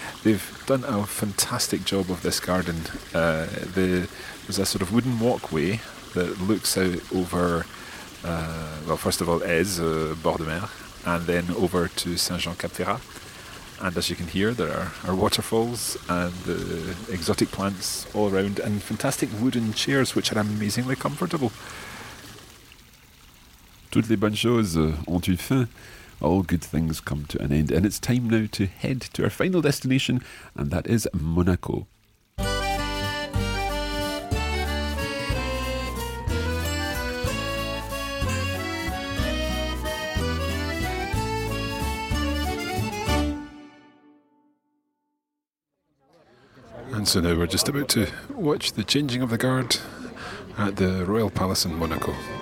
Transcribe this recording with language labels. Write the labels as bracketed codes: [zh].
[en] They've done a fantastic job of this garden. There's a sort of wooden walkway that looks out over, well, first of all, Ez, bord de mer, and then over to Saint-Jean-Cap-Ferrat. And as you can hear, there are waterfalls and exotic plants all around, and fantastic wooden chairs, which are amazingly comfortable. [fr] Toutes les bonnes choses ont une fin. [en] All good things come to an end. And it's time now to head to our final destination, and that is Monaco. And so now we're just about to watch the changing of the guard at the Royal Palace in Monaco.